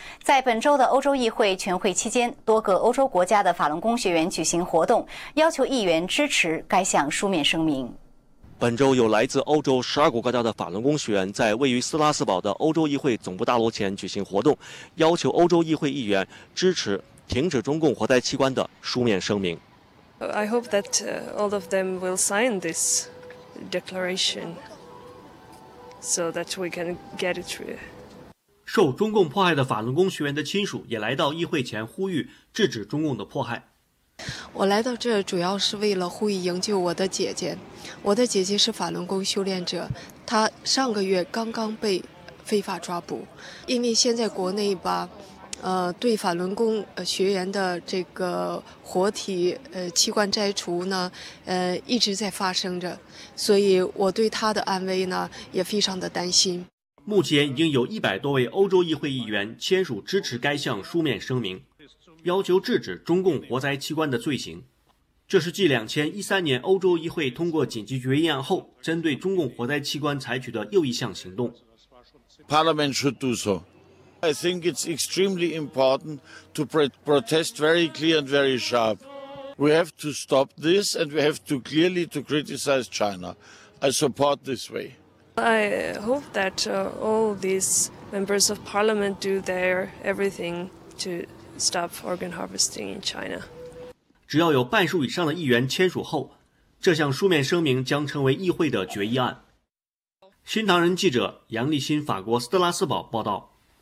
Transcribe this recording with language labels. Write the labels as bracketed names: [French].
[Chinese] 在本周的欧洲议会全会期间，多个欧洲国家的法轮功学员举行活动，要求议员支持该项书面声明。本周有来自欧洲12个国家的法轮功学员在位于斯拉斯堡的欧洲议会总部大楼前举行活动，要求欧洲议会议员支持停止中共活摘器官的书面声明。 [English] I hope that all of them will sign this declaration so that we can get it through. [Chinese] 受中共迫害的法轮功学员的亲属也来到议会前呼吁制止中共的迫害。我来到这主要是为了呼吁营救我的姐姐。我的姐姐是法轮功修炼者，她上个月刚刚被非法抓捕。因为现在国内吧，对法轮功学员的这个活体器官摘除呢，一直在发生着，所以我对他的安危呢也非常的担心。目前已经有100多位欧洲议会议员签署支持该项书面声明，要求制止中共活摘器官的罪行。这是继2013年欧洲议会通过紧急决议案后，针对中共活摘器官采取的又一项行动。 [English] Parliament should do so. I think it's extremely important to protest very clear and very sharp. We have to stop this and we have to clearly to criticize China. I support this way. I hope that all these members of parliament do their everything to stop organ harvesting in China. [Chinese] 只要有半数以上的议员签署后，这项书面声明将成为议会的决议案。新唐人记者杨立新，法国斯特拉斯堡报道。